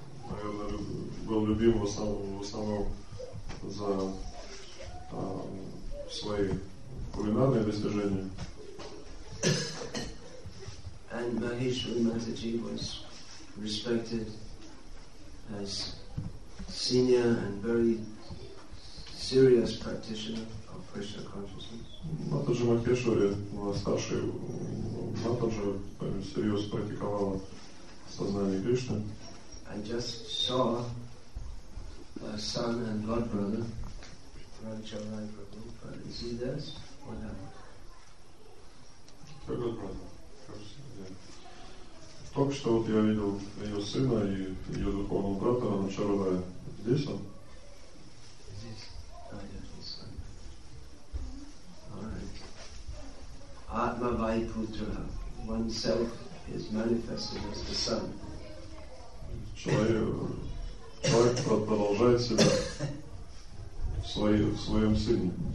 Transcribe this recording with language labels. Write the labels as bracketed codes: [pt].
[ru] Наверное, был любим в основном за свои кулинарные достижения. [en] And Maheshwari Mataji was respected as senior and very serious practitioner of Krishna consciousness. [ru] Матаджи Махешвари, старший Матаджи, серьезно практиковал сознание Кришны. [en] I just saw a son and god brother, Ramchandran Prabhu. But is he there? What happened? Your god brother. [ru] Только что вот я видел ее сына и ее духовного брата Ramchandran. Здесь он? Здесь. [en] Ah, your son. All right. [sa] Atma Vaiputra. [en] Oneself is manifested as the son. [ru] Человек продолжает себя в своем сыне.